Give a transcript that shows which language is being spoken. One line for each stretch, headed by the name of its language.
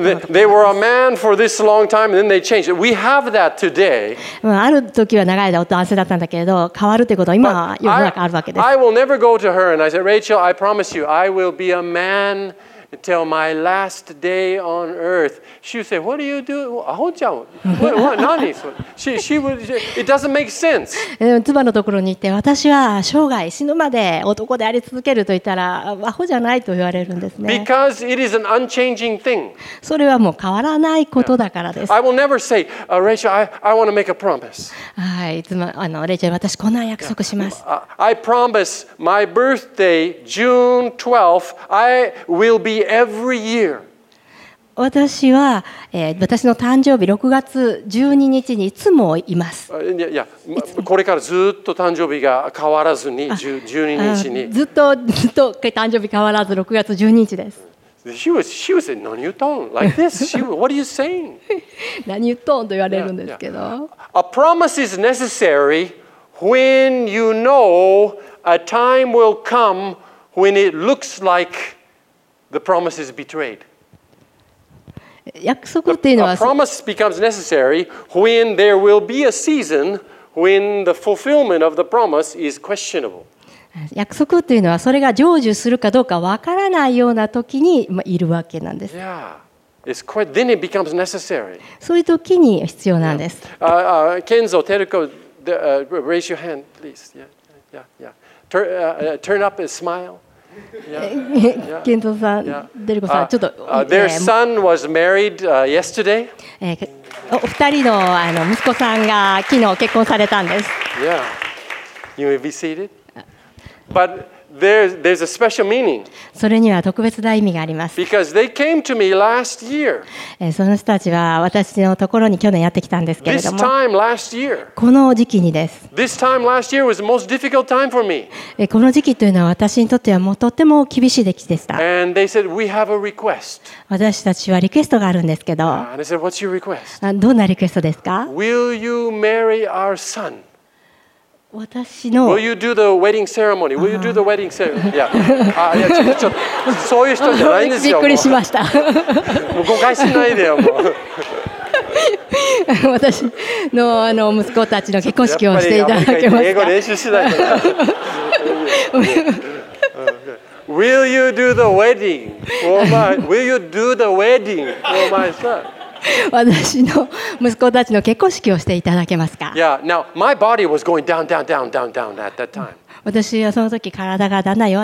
Japanese: も。
English: They were a man for this long time and then they changed. We have that today.
Japanese: ある時は長い間男性だったんだけど変わるということは今は世の中あるわけです。
English: I will never go to her and I said, Rachel, I promise you, I will be a man until my last day on earth. She would say, What are you doing? Hold on. What? She would, it doesn't make sense.
Japanese: 妻のところに行って私は生涯死ぬまで男であり続けると言ったらアホじゃないと言われるんですね。
English: Because it is an unchanging thing.
Japanese: それはもう変わらないことだからです。
English: I will never say, Rachel, I want to make a promise.
Japanese: はい、妻、レイチェル、私こんな約束します。
English: I promise my birthday, June 12th, I will be every year.
Japanese: 私は、私の誕生日6月12日にいつもいます。これからずっと誕生日が変わらずに12日に。ずっとずっと誕生日変わらず6月12日です。
English: She was saying,
Japanese: 何言ったん?
English: Like this. What are you saying?
Japanese: 何言ったんと言われるんですけど。
English: A promise is necessary when you know a time will come when it looks like the promise is betrayed.
Japanese: 約束っていうのは、
English: a promise becomes necessary when there will be a season when the fulfillment of the promise is questionable.
Japanese: 約束っていうのは、それが成就するかどうかわからないような時にいるわけなんです。
English: Yeah, it's quite. Then it becomes necessary.
Japanese: そういう時に必要なんです。
English: Kenzo, Teruko, raise your hand, please. Turn up and smile.
Japanese: 健三さん、デルコさん、ちょっと。
English: Their son was married yesterday.
Japanese: お二人の、あの、息子さんが昨日結婚されたんです。
English: Yeah. You may be seated. But there's a special meaning.
Japanese: それには特別な意味があります。
English: Because they came to me last year.
Japanese: その人たちは私のところに去年やってきたんですけれども。
English: This time last year.
Japanese: この時期にです。
English: This time last year was the most difficult time for me.
Japanese: この時期というのは私にとってはもうとっても厳しい時期でした。
English: And they said we have a request.
Japanese: 私たちはリクエストがあるんですけど。
English: And they said what's your request?
Japanese: どんなリクエストですか
English: ？Will you marry our son?
Japanese: 私の。
English: Will you do the wedding ceremony? Will you do the wedding ceremony?
Japanese: いや、そういう人じゃないんですよ。びっくりしました。もう誤解しないでよ。もう私のあの息子たちの結婚式をしていただけますか。英語練習しないで。
English: Will you do the wedding? Will you do the wedding for my son?
Japanese: 私の息子たちの結婚式をしていただけますか。私はその時体がだんだん弱